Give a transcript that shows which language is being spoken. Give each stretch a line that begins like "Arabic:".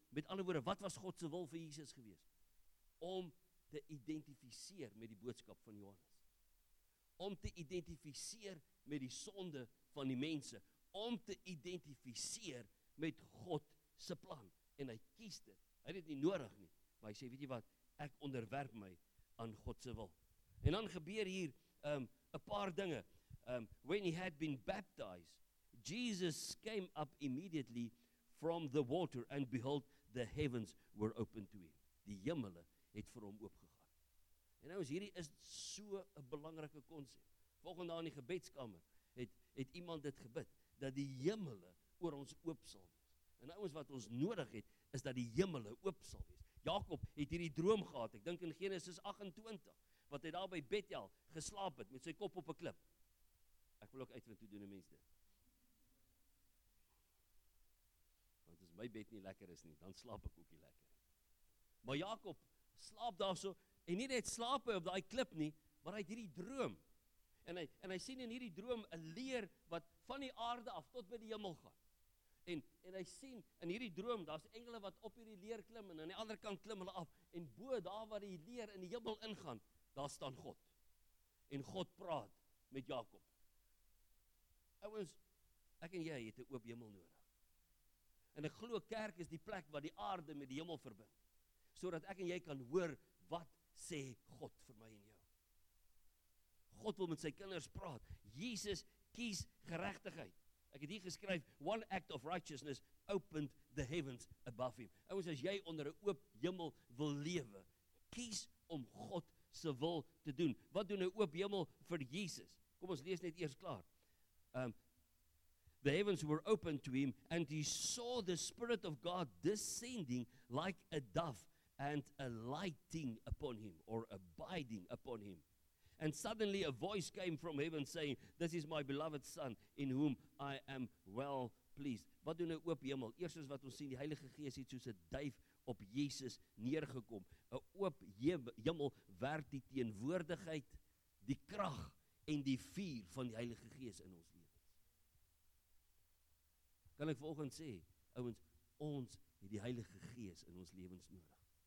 Afrikaans: Met ander woorde, wat was Godse wil vir Jesus gewees? Om te identificeer met die boodskap van Johannes. Om te identificeer met die sonde van die mense. Om te identificeer met God se plan. En hy kies dit. Hy het nie nodig nie. Maar hy sê, weet jy wat, ek onderwerp my aan God se wil. En dan gebeur hier een paar dinge.
English: When he had been baptized, Jesus came up immediately from the water, and behold, the heavens were open to him.
Afrikaans: Die jimmele het vir hom oopgegaan. En nou is hierdie is so een belangrike konsep. Volgende aan die gebedskamer het iemand dit gebid, dat die jimmele oor ons oop sal wees. En nou is wat ons nodig het, is dat die jimmele oop sal wees. Jakob het hierdie droom gehad, ek dink in Genesis 28, wat hy daar by Bethel geslaap het, met sy kop op 'n klip. Ek wil ook uitvind hoe doen die mens dit. Want as my bed nie lekker is nie, dan slaap ek ook nie lekker. Maar Jakob slaap daar so, en nie net slaap hy op die klip nie, maar hy het hierdie droom. En hy sien in hierdie droom een leer wat van die aarde af tot by die hemel gaan. En hy sien in hierdie droom, daar is engele wat op hierdie leer klim, en aan die andere kant klim hulle af, en bo daar waar die leer in die hemel ingaan, daar staan God. En God praat met Jakob. Ouens, ek en jy het 'n oop hemel nodig. En ek glo kerk is die plek waar die aarde met die hemel verbind, sodat ek en jy kan hoor wat sê God vir my en jou. God wil met sy kinders praat. Jesus kies geregtigheid. Ek het hier geskryf,
English: one act of righteousness opened the heavens above him.
Afrikaans: Ouens, as jy onder 'n oop hemel wil lewe, kies om God se wil te doen. Wat doen 'n oop hemel vir Jesus? Kom, ons lees net eers klaar.
English: The heavens were opened to him, and he saw the Spirit of God descending like a dove and alighting upon him, or abiding upon him. And suddenly a voice came from heaven saying, this is my beloved son, in whom I am well pleased.
Afrikaans: Wat doen 'n oop hemel? Eerstens wat ons sien, die Heilige Gees het soos 'n duif op Jesus neergekom. 'n oop hemel werp die teenwoordigheid, die krag en die vuur van die Heilige Gees in ons lewens. Kan ek vanoggend sê, ouens, ons het die Heilige Gees in ons lewens nodig.